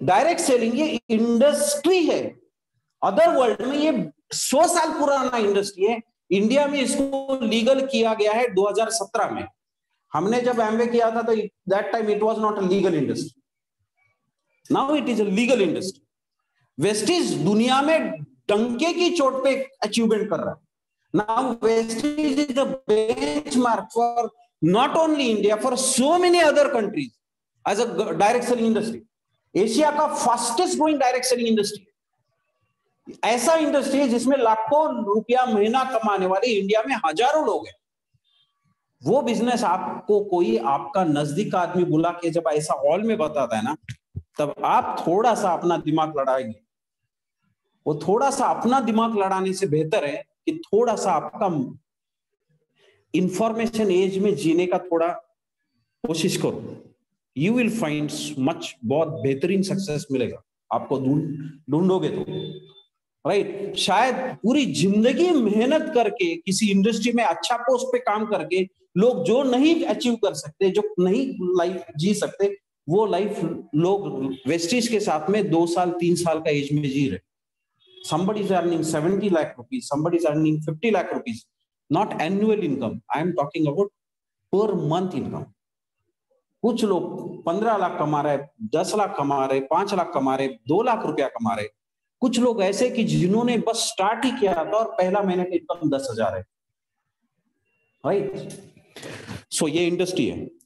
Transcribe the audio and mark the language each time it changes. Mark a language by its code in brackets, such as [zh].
[hi] Direct selling ये industry है, other world में ये 100 साल पुराना इंडस्ट्री है, इंडिया में इसको लीगल किया गया है 2017 में। हमने जब एमवे किया था तो [en] That time it was not a legal industry, now it is a legal industry. [hi] Vestige दुनिया में डंके की चोट पे अचीवमेंट कर रहा है। [en] Now West is the benchmark for not only India, for so many other countries as a direct selling industry. Asia का fastest growing direct selling industry. [hi] ऐसा industry है जिसमें लाखों रुपया महीना कमाने वाले इंडिया में हजारों लोग हैं। वो business आपको कोई आपका नजदीक का आदमी बुला के जब ऐसा हॉल में बताता है ना, तब आप थोड़ा सा अपना दिमाग लड़ाएंगे। वो थोड़ा सा अपना दिमाग लड़ाने से बेहतर है कि थोड़ा सा आपका इंफॉर्मेशन एज में जीने का थोड़ा कोशिश करो, [en] you will find much [hi] बहुत बेहतरीन सक्सेस मिलेगा आपको ढूंढोगे तो राइट। शायद पूरी जिंदगी मेहनत करके किसी इंडस्ट्री में अच्छा पोस्ट पे काम करके लोग जो नहीं अचीव कर सकते, जो नहीं लाइफ जी सकते, वो लाइफ लोग वेस्टीज के साथ में 2-3 साल का एज में जी रहे। [en] Somebody is earning 70 lakh rupees, somebody is earning 50 lakh rupees, not annual income. I am talking about per month income. [hi] कुछ लोग 15 लाख कमा रहे, 10 लाख कमा रहे, 5 लाख कमा रहे, 2 लाख रुपया कमा रहे। कुछ लोग ऐसे कि जिन्होंने बस स्टार्ट ही किया था और पहला महीने का इनकम 10,000 है राइट। सो ये इंडस्ट्री है।